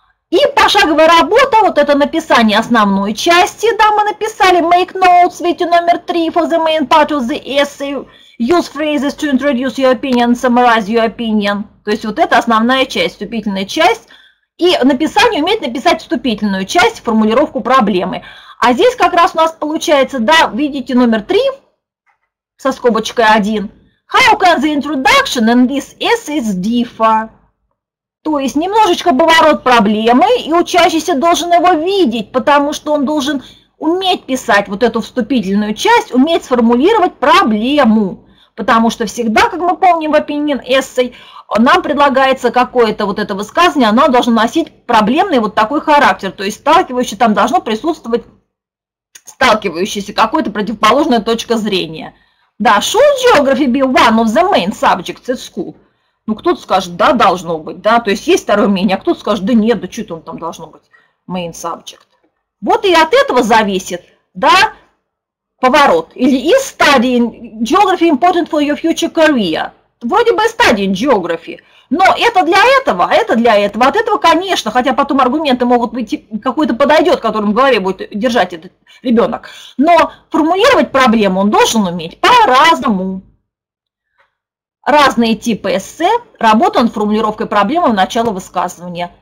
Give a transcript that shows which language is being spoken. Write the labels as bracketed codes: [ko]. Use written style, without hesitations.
[ru] И пошаговая работа, вот это написание основной части, да, мы написали [en] make notes, [ru] видите, номер 3 [en] for the main part of the essay, use phrases to introduce your opinion, [ru] summarize your opinion. То есть вот это основная часть, вступительная часть. И написание умеет написать вступительную часть, формулировку проблемы. А здесь как раз у нас получается, да, видите, номер 3 со скобочкой 1. [en] How can the introduction in this essay differ? [ru] То есть немножечко поворот проблемы, и учащийся должен его видеть, потому что он должен уметь писать вот эту вступительную часть, уметь сформулировать проблему. Потому что всегда, как мы помним в [en] opinion essay, [ru] нам предлагается какое-то вот это высказывание, оно должно носить проблемный вот такой характер. То есть сталкивающийся там должно присутствовать сталкивающийся, какой-то противоположная точка зрения. [en] Да, should geography be one of the main subjects at school? [ru] Ну, кто-то скажет, да, должно быть, да, то есть второе мнение, а кто-то скажет, да нет, да что-то он там должно быть, [en] main subject. [ru] Вот и от этого зависит, да, поворот. Или [en] is studying geography important for your future career? [ru] Вроде бы [en] studying geography, [ru] но это для этого, а это для этого. От этого, конечно, хотя потом аргументы могут быть, какой-то подойдет, которым в голове будет держать этот ребенок. Но формулировать проблему он должен уметь по-разному. Разные типы эссе, работа над формулировкой проблемы в начало высказывания.